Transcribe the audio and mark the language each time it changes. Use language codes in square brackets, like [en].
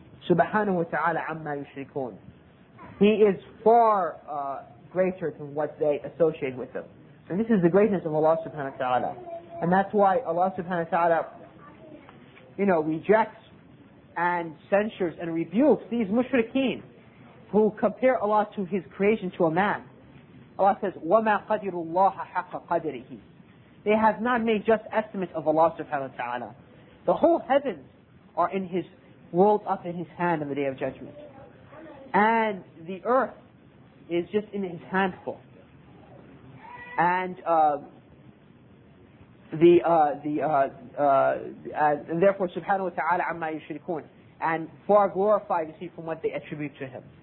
[ar] Subhanahu wa ta'ala amma yushrikun. [en] He is far greater than what they associate with Him. And this is the greatness of Allah subhanahu wa ta'ala. And that's why Allah subhanahu wa ta'ala, you know, rejects and censures and rebukes these mushrikeen who compare Allah to His creation, to a man. Allah says, [ar] وَمَا قَدِرُ اللَّهَ حَقَّ قَدِرِهِ. [en] They have not made just estimate of Allah subhanahu wa ta'ala. The whole heavens are in His, rolled up in His hand on the Day of Judgment. And the earth is just in His handful. And and therefore [ar] subhanahu wa ta'ala amma yushrikun, [en] and far glorified is He from what they attribute to Him.